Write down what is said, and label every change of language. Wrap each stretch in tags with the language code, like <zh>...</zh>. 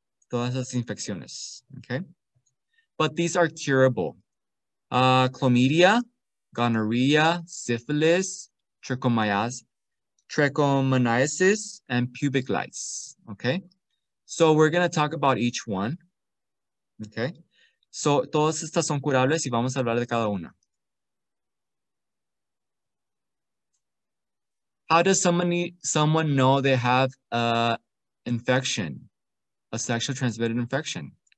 <es>Todas las infecciones,</es> <en>okay? But these are curable. Chlamydia, gonorrhea, syphilis, trichomoniasis, and pubic lice, okay? So we're going to talk about each one, okay?</en> <es>So todas estas son curables y vamos a hablar de cada una.</es> <en>How does someone know they have an infection, a sexually transmitted infection?</en>